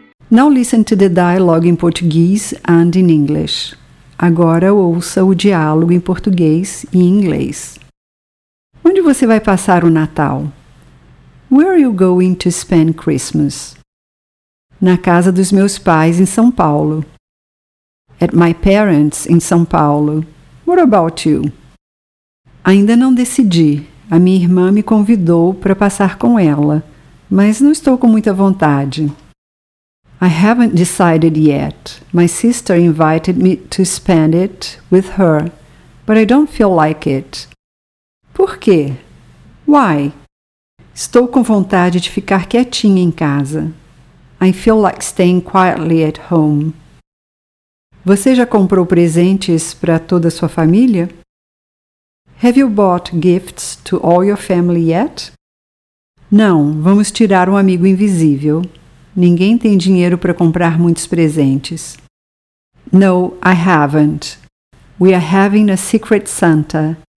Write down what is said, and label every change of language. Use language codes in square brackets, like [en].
[en] Now listen to the dialogue in Portuguese and in English. [pt] Agora ouça o diálogo em português e em inglês. Onde você vai passar o Natal? [en] Where are you going to spend Christmas? [pt] Na casa dos meus pais em São Paulo. [en] At my parents in São Paulo. What about you? [pt] Ainda não decidi. A minha irmã me convidou para passar com ela, mas não estou com muita vontade. [en] I haven't decided yet. My sister invited me to spend it with her, but I don't feel like it. [pt] Por quê? [en] Why? [pt] Estou com vontade de ficar quietinha em casa. [en] I feel like staying quietly at home. [pt] Você já comprou presentes para toda a sua família? [en] Have you bought gifts to all your family yet? [pt] Não, vamos tirar um amigo invisível. Ninguém tem dinheiro para comprar muitos presentes. [en] No, I haven't. We are having a secret Santa.